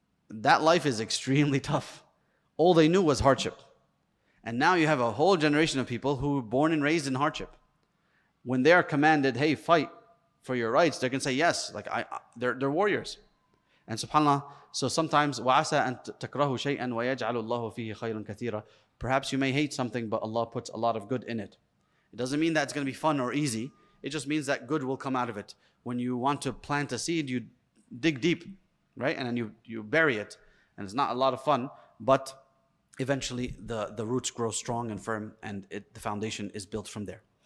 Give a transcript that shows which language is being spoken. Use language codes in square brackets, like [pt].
[en] That life is extremely tough. All they knew was hardship. And now you have a whole generation of people who were born and raised in hardship. When they are commanded, hey, fight for your rights, they're going to say yes. Like they're warriors. And subhanAllah, So sometimes, [ar] وَعَسَىٰ أَن تَكْرَهُ شَيْئًا وَيَجْعَلُ اللَّهُ فِيهِ خَيْرًا كَثِيرًا. [en] Perhaps you may hate something, but Allah puts a lot of good in it. It doesn't mean that it's going to be fun or easy. It just means that good will come out of it. When you want to plant a seed, you dig deep, right? And then you bury it. And it's not a lot of fun, but eventually the roots grow strong and firm, and the foundation is built from there.